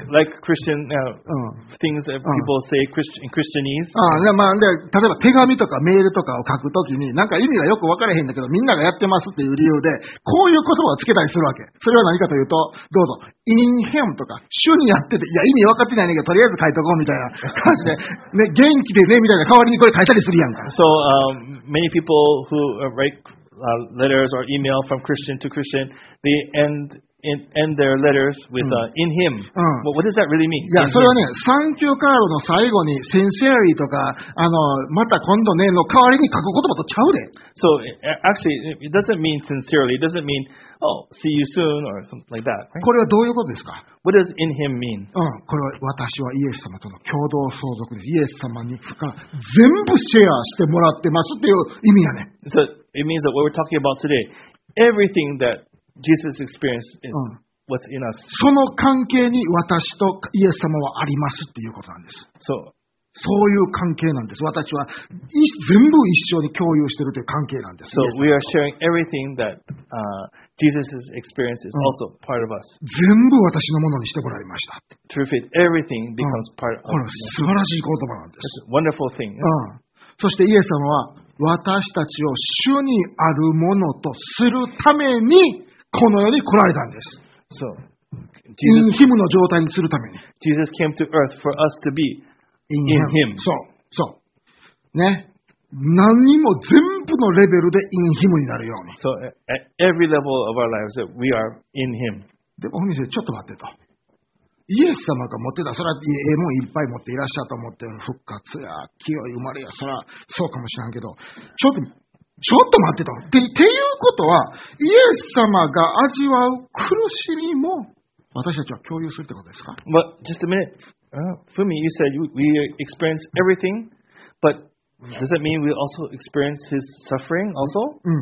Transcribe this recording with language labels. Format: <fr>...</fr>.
<en>like Christian, things that people say in Christianese.</en> <ja>まあ、で例えば手紙とかメールとかを書くときに、なんか意味がよく分からへんだけど、みんながやってますっていう理由で、こういう言葉をつけたりするわけ。それは何かというと、どうぞ、</ja> <en>in him</en> <ja>とか、主にやってて、いや、意味分かってないねんけど、とりあえず書いとこうみたいな感じで、ね、元気でねみたいな代わりにこれ書いたりするやんか。</ja> <en>So, many people who write letters or email from Christian to Christian, they end their letters with in him. Well, what does that really mean?</en> <ja>Yeah, それはね、サンキューカードの最後に sincerely とか、あの、また今度ねの代わりに書く言葉とちゃうで。</ja> <en>So, actually, it doesn't mean sincerely. It doesn't mean, oh, see you soon or something like that.</en> <ja>これはどういうことですか?</ja> <en>What does in him mean?</en> <ja>これは私はイエス様との共同相続です。イエス様に全部シェアしてもらってますっていう意味やね。</ja> <en>So, it means that what we're talking about today, everything thatJesus experience is what's in us.</en> <ja>その関係に私とイエス様はありますっていうことなんです。</ja> <en>So,</en> <ja>そういう関係なんです。私は全部一緒に共有してるという関係なんです。</ja> <en>So we are sharing everything that Jesus's experience is also part of us.</en> <ja>全部私のものにしてもらいました。</ja> <en>Through faith, everything becomes part of us.</en> <ja>これは素晴らしい言葉なんです。</ja> <en>It's a wonderful thing.</en> <ja>そしてイエス様は私たちを主にあるものとするためにこの世に来られたんです。</ja> <en>So,</en> <ja>Jesus,</ja> <en>in him</en> <ja>の状態にするために。</ja> <en>Jesus came to earth for us to be in him.</en> <ja>そう、そう。ね。何も全部のレベルで</ja> <en>in him</en> <ja>になるように。</ja> <en>So, at every level of our lives, we are in him.</en> <ja>でも、お店、ちょっと待ってと。イエス様が持ってた、それはええもんいっぱい持っていらっしゃったと思ってる。復活や、清い生まれや、それはそうかもしれんけど、ちょっと待ってと。っていうことは、イエス様が味わう苦しみも、私たちは共有するってことですか?</ja> <en>But just a minute. Fumi, you said we experience everything, but does that mean we also experience his suffering also?</en>